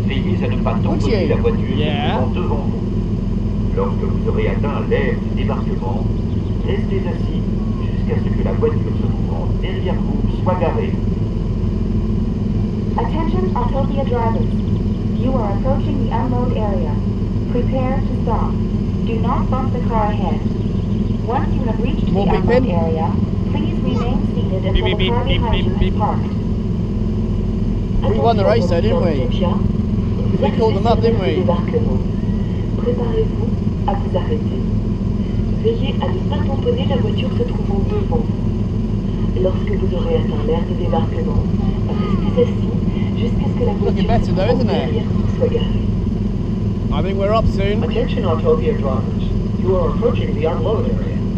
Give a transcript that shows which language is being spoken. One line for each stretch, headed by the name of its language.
French: Veillez à ne pas tomber de la voiture devant vous. Lorsque vous aurez atteint l'aire de débarquement, restez assis jusqu'à ce que la voiture se trouve derrière vous soit garée.
English: Attention Autopia drivers, you are approaching the unload area. Prepare to stop. Do not bump the car ahead. Once you have reached the unload area, please remain seated until the car behind you is parked. We won the race though, didn't we? We called them up, didn't we?
French: Préparez-vous à vous arrêter. Veillez à ne pas tamponner la voiture se trouvant devant. Lorsque vous aurez atteint l'aire de débarquement, restez assis.
English: Looking better though, isn't it? I think we're up soon. Attention Autopia drivers, you are approaching the unload area.